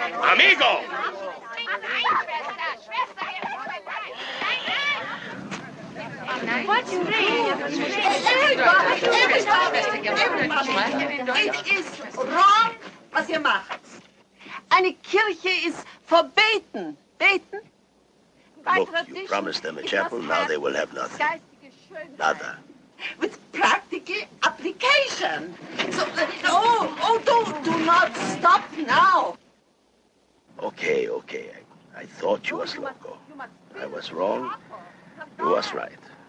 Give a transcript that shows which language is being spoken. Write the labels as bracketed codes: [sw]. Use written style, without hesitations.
[es] Amigo! [en] It is wrong, [de] was ihr macht. Eine Kirche ist verbeten. Beten? [en] Look, you promised them a chapel, now they will have nothing. [es] Nada. [en] With practical application. So, do not stop now. Okay, okay. I thought you were loco. I was wrong. You was right.